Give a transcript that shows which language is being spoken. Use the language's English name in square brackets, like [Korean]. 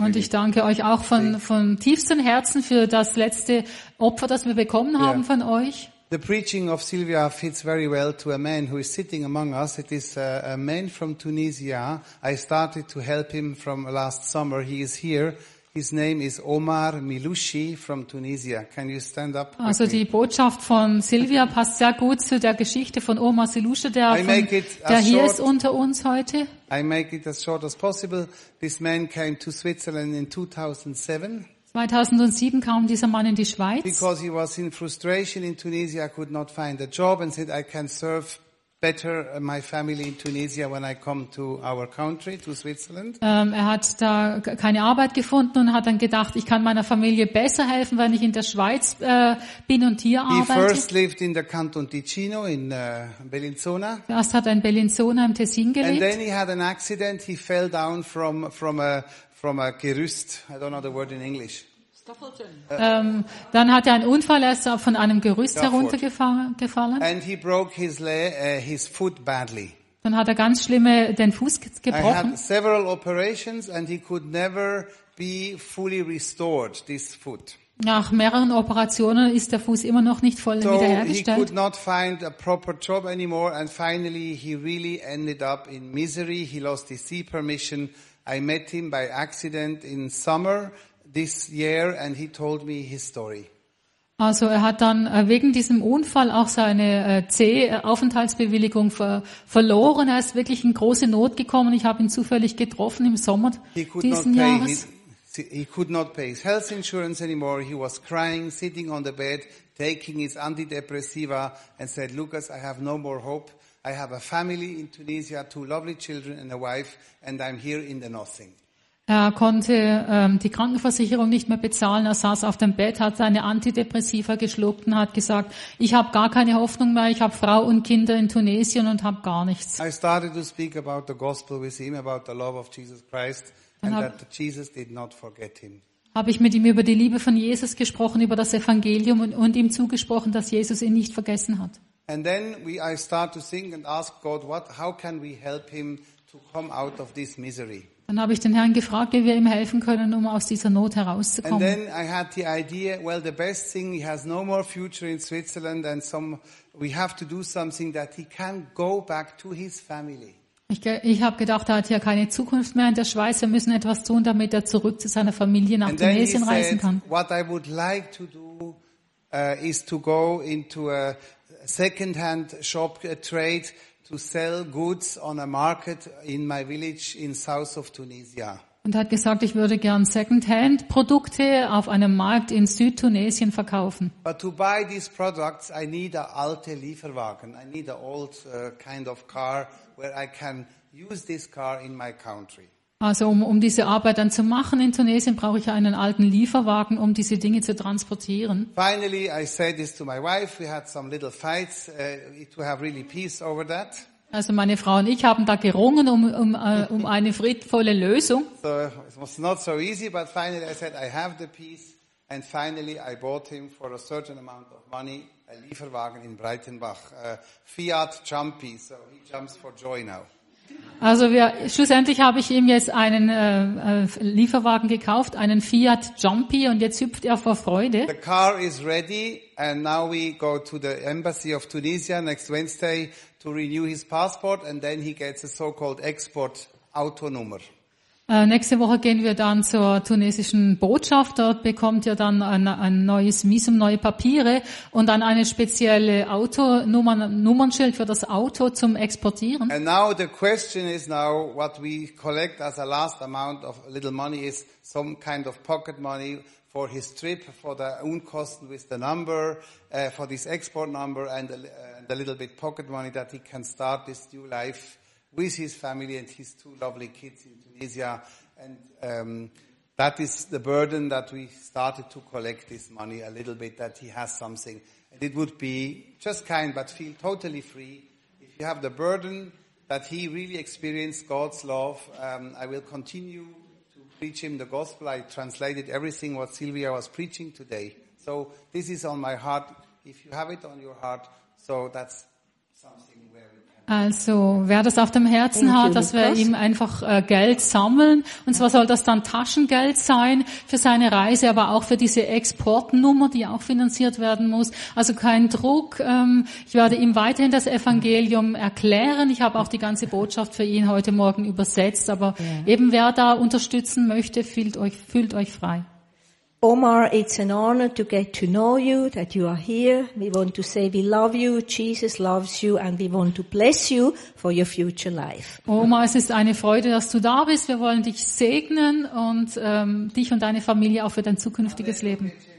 [German] Und ich danke euch auch von tiefstem Herzen für das letzte Opfer, das wir bekommen haben von euch. [English] The preaching of Sylvia fits very well to a man who is sitting among us. It is a man from Tunisia. I started to help him from last summer. He is here. His name is Omar Milushi from Tunisia. Can you stand up? [German] Also die Botschaft von Sylvia passt sehr gut zu der Geschichte von Omar Milushi, der hier ist unter uns heute. [English] I make it as short as possible. This man came to Switzerland in 2007. [German] 2007 kam dieser Mann in die Schweiz. [English] Because he was in frustration in Tunisia, could not find a job and said, I can serve better my family in Tunisia when I come to our country, to Switzerland. [German] Er hat da keine Arbeit gefunden und hat dann gedacht, ich kann meiner Familie besser helfen, wenn ich in der Schweiz bin und hier arbeite. [English] He first lived in the Canton Ticino in Bellinzona. [German] Erst hat er in Bellinzona im Tessin gelebt. [English] And then he had an accident. He fell down from a Gerüst, I don't know the word in English. [German] Dann hat er einen Unfall, er ist von einem Gerüst heruntergefallen. [English] And he broke his foot badly. [German] Dann hat er ganz schlimme den Fuß gebrochen. [English] He had several operations and he could never be fully restored, this foot. [German] Nach mehreren Operationen ist der Fuß immer noch nicht voll wiederhergestellt. [English] So he could not find a proper job anymore and finally he really ended up in misery. He lost his sea permission. I met him by accident in summer this year and he told me his story. [German] Also er hat dann wegen diesem Unfall auch seine C-Aufenthaltsbewilligung verloren. Er ist wirklich in große Not gekommen. Ich habe ihn zufällig getroffen im Sommer diesen Jahres. [English] He could not pay his health insurance anymore. He was crying, sitting on the bed, taking his antidepressiva and said, Lucas, I have no more hope. I have a family in Tunisia, two lovely children and a wife, and I'm here in the nothing. [German] Er konnte die Krankenversicherung nicht mehr bezahlen. Er saß auf dem Bett, hat seine Antidepressiva geschluckt und hat gesagt, ich habe gar keine Hoffnung mehr, ich habe Frau und Kinder in Tunesien und habe gar nichts. [English] I started to speak about the gospel with him, about the love of Jesus Christ, and that Jesus did not forget him. [German] Habe ich mit ihm über die Liebe von Jesus gesprochen, über das Evangelium und ihm zugesprochen, dass Jesus ihn nicht vergessen hat. [English] And then I start to think and ask God, how can we help him to come out of this misery? [German] Dann habe ich den Herrn gefragt, wie wir ihm helfen können, um aus dieser Not herauszukommen. [English] And then I had the idea, the best thing, he has no more future in Switzerland and we have to do something that he can go back to his family. [German] Ich habe gedacht, er hat ja keine Zukunft mehr in der Schweiz, wir müssen etwas tun, damit er zurück zu seiner Familie nach Tunesien reisen kann. [English] What I would like to do is to go into a second-hand shop trade to sell goods on a market in my village in south of Tunisia. [German] Und hat gesagt, ich würde gern second-hand Produkte auf einem Markt in Südtunesien verkaufen. [English] But to buy these products, I need an [German] alte Lieferwagen. [English] I need an old kind of car where I can use this car in my country. [German] Also um diese Arbeit dann zu machen in Tunesien, brauche ich einen alten Lieferwagen, um diese Dinge zu transportieren. [English] Finally, I said this to my wife. We had some little fights to have really peace over that. [German] Also meine Frau und ich haben da gerungen um eine friedvolle Lösung. [English] So, it was not so easy, but finally I said I have the peace. And finally I bought him for a certain amount of money a Lieferwagen in Breitenbach, a Fiat Jumpy. So he jumps for joy now. [German] Also schlussendlich habe ich ihm jetzt einen Lieferwagen gekauft, einen Fiat Jumpy, und jetzt hüpft er vor Freude. [English] The car is ready and now we go to the embassy of Tunisia next Wednesday to renew his passport and then he gets a so-called export Autonummer. [German] Nächste Woche gehen wir dann zur tunesischen Botschaft. Dort bekommt ihr dann ein neues Visum, neue Papiere und dann eine spezielle Nummernschild für das Auto zum Exportieren. [English] And now the question is now what we collect as a last amount of little money is some kind of pocket money for his trip, for the Unkosten with the number, for this export number and a little bit pocket money that he can start this new life with his family and his two lovely kids in Tunisia. And that is the burden that we started to collect this money a little bit, that he has something. And it would be just kind, but feel totally free. If you have the burden that he really experienced God's love, I will continue to preach him the gospel. I translated everything what Sylvia was preaching today. So this is on my heart. If you have it on your heart, so that's something where we can. [German] Also, wer das auf dem Herzen hat, dass wir ihm einfach Geld sammeln. Und zwar soll das dann Taschengeld sein für seine Reise, aber auch für diese Exportnummer, die auch finanziert werden muss. Also kein Druck. Ich werde ihm weiterhin das Evangelium erklären. Ich habe auch die ganze Botschaft für ihn heute Morgen übersetzt. Aber eben wer da unterstützen möchte, fühlt euch frei. [English] Omar, it's an honor to get to know you, that you are here. We want to say we love you, Jesus loves you, and we want to bless you for your future life. [German] Omar, es ist eine Freude, dass du da bist. Wir wollen dich segnen und dich und deine Familie auch für dein zukünftiges Leben.